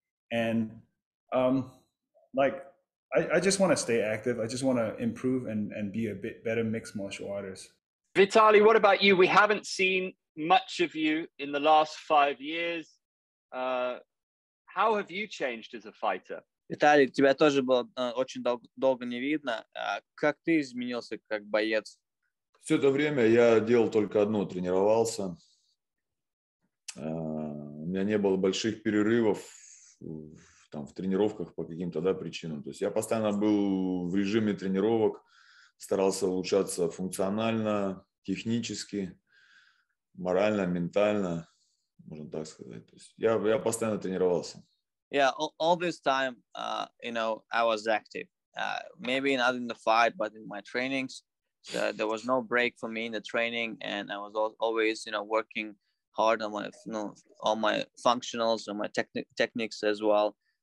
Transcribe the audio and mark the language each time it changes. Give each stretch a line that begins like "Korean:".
English: And I just want to stay active. I just want to improve and be a bit better mixed martial artist. Vitaly, what about you? We haven't seen much of you in the last 5 years. How have you changed as a fighter?
Russian: Vitaly, тебя тоже было очень долго не видно. Как ты изменился как боец? Все это время я делал только одно, тренировался. У меня не было больших перерывов. Там в тренировках по каким-то, да, причинам. То есть я постоянно был в режиме тренировок, старался улучшаться функционально, технически, морально, ментально, можно так сказать. То есть я постоянно тренировался.
English: Yeah, all this time, you know, I was active. Maybe not in the fight, but in my trainings. There was no break for me in the training, and I was always, you know, working hard on my, you know, all my functionals and my techniques as well.